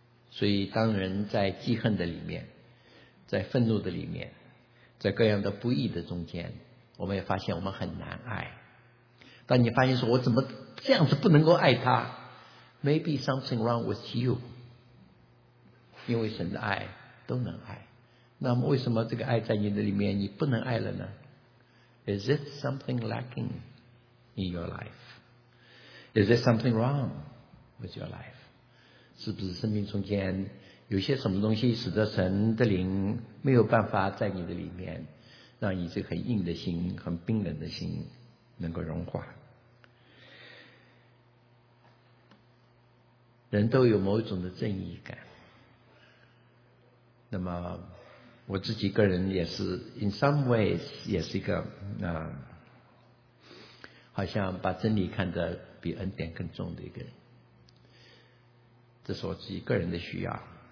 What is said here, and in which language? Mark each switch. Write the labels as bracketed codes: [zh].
[zh] 所以当人在记恨的里面，在愤怒的里面，在各样的不义的中间，我们也发现我们很难爱。当你发现说我怎么这样子不能够爱他， [en] Maybe something wrong with you， [zh] 因为神的爱都能爱，那么为什么这个爱在你的里面你不能爱了呢？ [en] Is it something lacking in your life? Is it something wrong with your life? [zh] 是不是生命中间有些什么东西使得神的灵没有办法在你的里面，让你这很硬的心、很冰冷的心能够融化。人都有某一种的正义感，那么我自己个人也是 [en] in some ways [zh] 也是一个好像把真理看得比恩典更重的一个人，这是我自己个人的需要。